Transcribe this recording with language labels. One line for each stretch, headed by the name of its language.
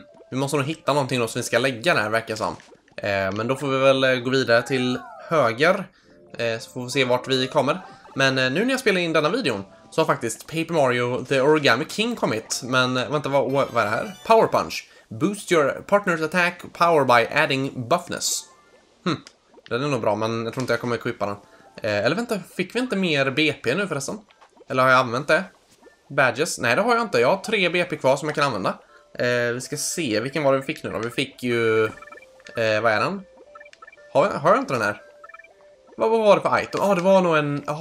Swedish: Vi måste nog hitta någonting då som vi ska lägga där, verkar som. Men då får vi väl gå vidare till höger. Så får vi se vart vi kommer. Men nu när jag spelar in denna videon så har faktiskt Paper Mario The Origami King kommit. Men vänta, vad är det här? Power Punch.
English: Boost your partner's attack power by adding buffness.
Swedish: Den är nog bra, men jag tror inte jag kommer equipa den. Eller vänta, fick vi inte mer BP nu förresten? Eller har jag använt det? Badges? Nej, det har jag inte. Jag har 3 BP kvar som jag kan använda. Vi ska se, vilken var det vi fick nu då? Vi fick ju... vad är den? Har jag inte den här? Vad var det för item? Ah, det var nog en...